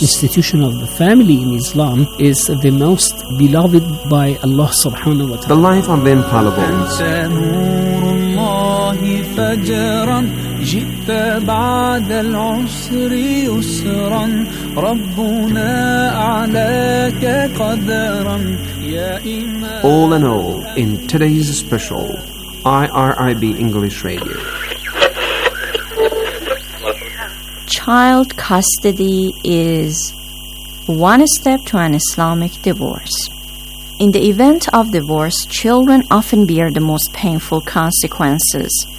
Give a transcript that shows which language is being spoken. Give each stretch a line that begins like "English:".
English: Institution of the family in Islam is the most beloved by Allah subhanahu wa ta'ala. The life of the infallible.
Arabic: فجرا جئت بعد العسر يسرا ربنا أعلاك قدرا يا إمام.
English: All in all, in today's special IRIB English Radio. Child custody is one step to an Islamic divorce. In the event of divorce, children often bear the most painful consequences.